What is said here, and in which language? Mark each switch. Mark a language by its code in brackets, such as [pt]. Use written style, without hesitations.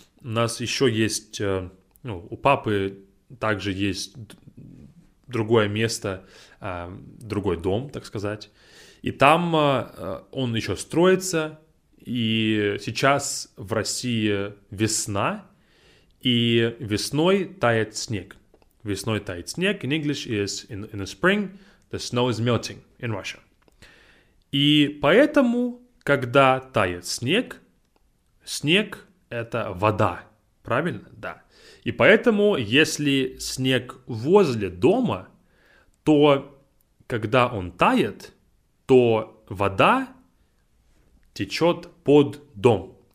[ru] У нас еще есть, ну, у папы также есть другое место, другой дом, так сказать. И там он еще строится. И сейчас в России весна, и весной тает снег. Весной тает снег. [en] In English is in the spring, the snow is melting in Russia. [ru] И поэтому, когда тает снег, снег — это вода. Правильно? Да. И поэтому, если снег возле дома, то когда он тает, то вода течет под дом.